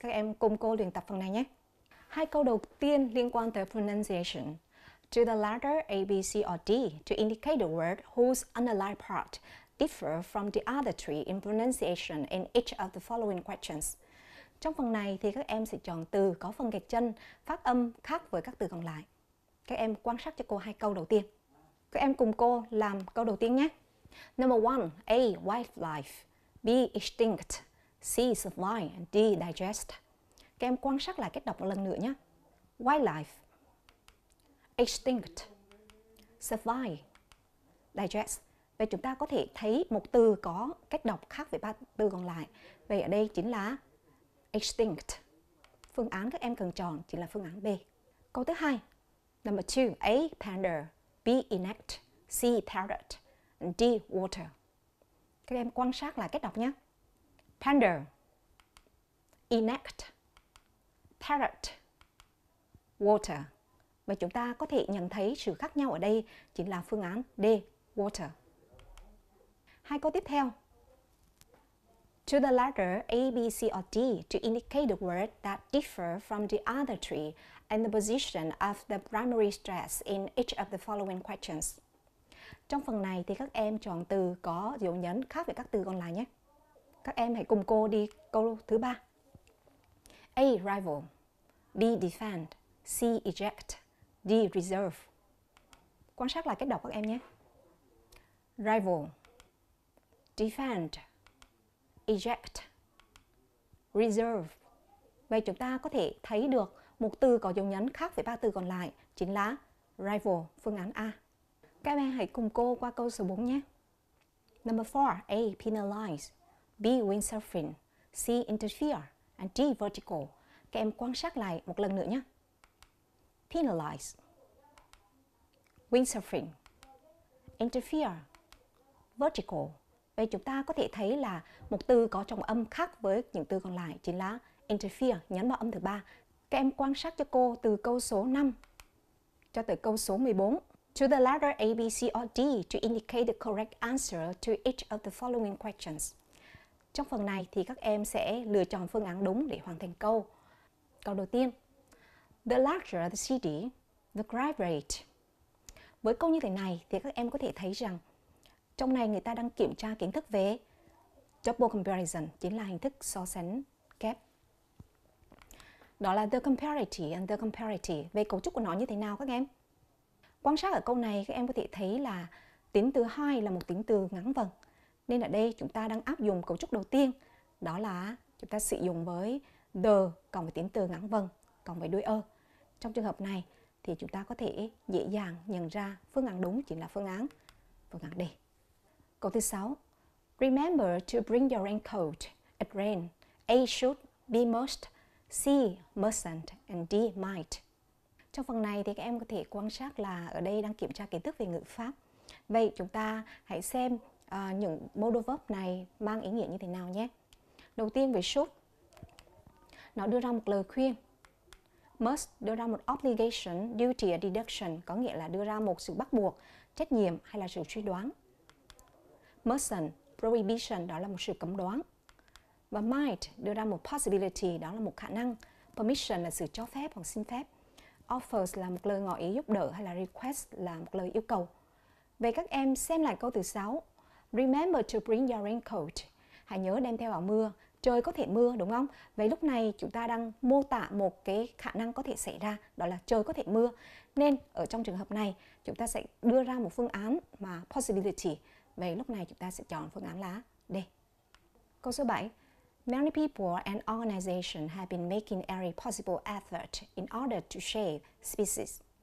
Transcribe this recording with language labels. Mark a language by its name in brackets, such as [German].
[Vietnamese] Các em cùng cô luyện tập phần này nhé. Hai câu đầu tiên liên quan tới pronunciation. [English] To the letter A, B, C or D to indicate the word whose underlying part differ from the other three in pronunciation in each of the following questions. [Vietnamese] Trong phần này thì các em sẽ chọn từ có phần gạch chân, phát âm khác với các từ còn lại. Các em quan sát cho cô hai câu đầu tiên. Các em cùng cô làm câu đầu tiên nhé. [English] Number 1. A. Wildlife. B. Extinct. C. Sublime. D. Digest. [Vietnamese] Các em quan sát lại cách đọc một lần nữa nhé. [English] Wildlife. Extinct. Sublime. Digest. [Vietnamese] Vậy chúng ta có thể thấy một từ có cách đọc khác với ba từ còn lại. Vậy ở đây chính là extinct. Phương án các em cần chọn chính là phương án B. Câu thứ hai. [English] Number 2. A. Panda. B. Inect. C. Parrot. D. Water. [Vietnamese] Các em quan sát lại cách đọc nhé. [English] Panda. Inect. Parrot. Water. [Vietnamese] Và chúng ta có thể nhận thấy sự khác nhau ở đây chính là phương án D. Water. Hai câu tiếp theo. [English] To the letter A, B, C or D to indicate the word that differ from the other three and the position of the primary stress in each of the following questions. [Vietnamese] Trong phần này thì các em chọn từ có dấu nhấn khác với các từ còn lại nhé. Các em hãy cùng cô đi câu thứ ba. A. Rival. B. Defend. C. Eject. D. Reserve. Quan sát lại cách đọc các em nhé. Rival. Defend. Eject, reserve. Vậy chúng ta có thể thấy được một từ có dấu nhấn khác với ba từ còn lại chính là rival, phương án A. Các em hãy cùng cô qua câu số 4 nhé. [English] Number 4. A. Penalize. B. Windsurfing. C. Interfere. And D. [Vietnamese] Vertical. Các em quan sát lại một lần nữa nhé. Penalize. [English] windsurfing, interfere, vertical. [Vietnamese] Vậy chúng ta có thể thấy là một từ có trọng âm khác với những từ còn lại chính là interfere, nhấn vào âm thứ 3. Các em quan sát cho cô từ câu số 5 cho tới câu số 14. [English] To the letter A, B, C or D to indicate the correct answer to each of the following questions. [Vietnamese] Trong phần này thì các em sẽ lựa chọn phương án đúng để hoàn thành câu. Câu đầu tiên. [English] The larger the city, the crime rate. [Vietnamese] Với câu như thế này thì các em có thể thấy rằng trong này người ta đang kiểm tra kiến thức về double comparison, chính là hình thức so sánh kép. Đó là [English] the comparative and the comparative. [Vietnamese] Về cấu trúc của nó như thế nào các em? Quan sát ở câu này các em có thể thấy là tính từ 2 là một tính từ ngắn vần. Nên ở đây chúng ta đang áp dụng cấu trúc đầu tiên. Đó là chúng ta sử dụng với the cộng với tính từ ngắn vần, cộng với đuôi er. Trong trường hợp này thì chúng ta có thể dễ dàng nhận ra phương án đúng chính là phương án D. Câu thứ 6. [English] Remember to bring your raincoat. It rain. A should, B must, C mustn't and D might. [Vietnamese] Trong phần này thì các em có thể quan sát là ở đây đang kiểm tra kiến thức về ngữ pháp. Vậy chúng ta hãy xem những modal verb này mang ý nghĩa như thế nào nhé. Đầu tiên về should, nó đưa ra một lời khuyên. Must đưa ra một [English] obligation, duty or deduction, [Vietnamese] có nghĩa là đưa ra một sự bắt buộc, trách nhiệm hay là sự suy đoán. Mustn't, prohibition, đó là một sự cấm đoán. Và might đưa ra một possibility, đó là một khả năng. Permission là sự cho phép hoặc xin phép. Offers là một lời ngỏ ý giúp đỡ hay là request là một lời yêu cầu. Vậy các em xem lại câu thứ 6. [English] Remember to bring your raincoat. [Vietnamese] Hãy nhớ đem theo áo mưa. Trời có thể mưa đúng không? Vậy lúc này chúng ta đang mô tả một cái khả năng có thể xảy ra, đó là trời có thể mưa. Nên ở trong trường hợp này chúng ta sẽ đưa ra một phương án mà possibility. Vậy lúc này chúng ta sẽ chọn phương án là D. Câu số 7. [English] Many people and organizations have been making every possible effort in order to save species.